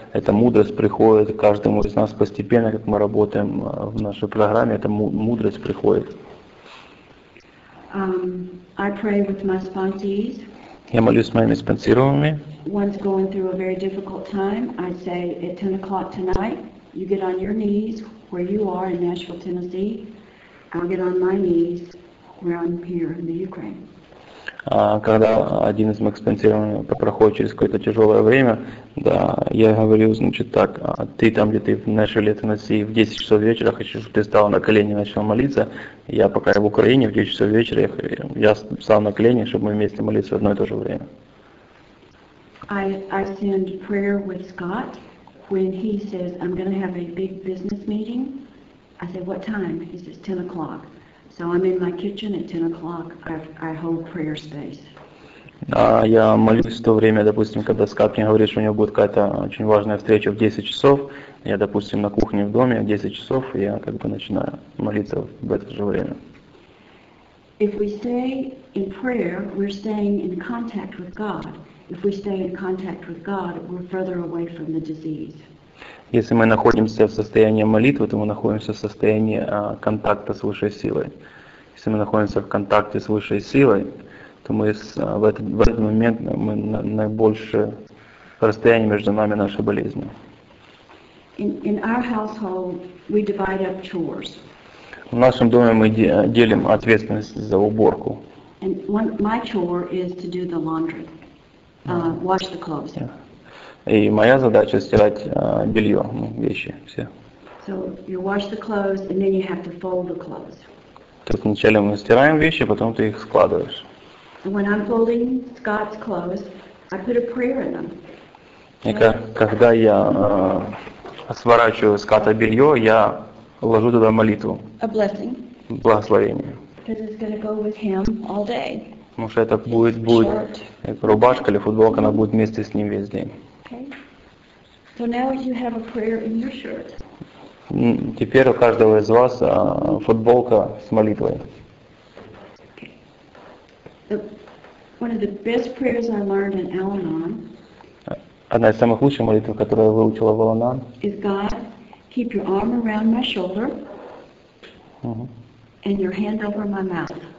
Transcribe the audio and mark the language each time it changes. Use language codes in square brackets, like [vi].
[ru] Эта мудрость приходит каждому из нас постепенно, как мы работаем в нашей программе. Эта мудрость приходит. [en] I pray with my sponsees. [ru] Я молюсь с моими спонсированными. [en] One's going through a very difficult time. I say at 10 o'clock tonight, you get on your knees where you are in Nashville, Tennessee. I'll get on my knees where I'm here in the Ukraine. [ru] когда один из экспансированных проходит через какое-то тяжелое время, да, я говорю, значит, так, ты там, где ты начал это носить, в 10 часов вечера хочу, чтобы ты встал на колени и начал молиться. Я пока в Украине, в 10 часов вечера я встал на колени, чтобы мы вместе молиться в одно и то же время. [en] I send prayer with Scott when he says, I'm going to have a big business meeting. I say, what time? He says, 10 o'clock. So I'm in my kitchen at 10 o'clock. I hold prayer space. [ru] Я молюсь в то время, допустим, когда Скат мне говорит, что у него будет какая-то очень важная встреча в 10 часов. Я, допустим, на кухне в доме в 10 часов, я как бы начинаю молиться в это же время. [en] If we stay in prayer, we're staying in contact with God. If we stay in contact with God, we're further away from the disease. [ru] Если мы находимся в состоянии молитвы, то мы находимся в состоянии контакта с высшей силой. Если мы находимся в контакте с высшей силой, то мы в этот момент мы наибольшее расстояние между нами и нашей болезнью. [en] In our household, we divide up chores. [ru] В нашем доме мы делим ответственность за уборку. [en] And my chore is to do the laundry. Wash the clothes. [ru] И моя задача стирать белье, ну, вещи все. [en] So you wash the clothes, and then you have to fold the clothes. [ru] То есть вначале мы стираем вещи, потом ты их складываешь. [en] And when I'm folding Scott's clothes, I put a prayer in them. [ru] И когда я сворачиваю Скотта белье, я ложу туда молитву. [en] A blessing. [ru] Благословение. [en] Because it's going to go with him all day. [ru] Потому что это будет рубашка или футболка, она будет вместе с ним весь день. [en] So now you have a prayer in your shirt. [ru] Теперь у каждого из вас футболка с молитвой. [en] One of the best prayers I learned in Al-Anon. [ru] Одна из самых лучших молитв, которую я выучила в Al-Anon. [en] Is God, keep your arm around my shoulder, and your hand over my mouth.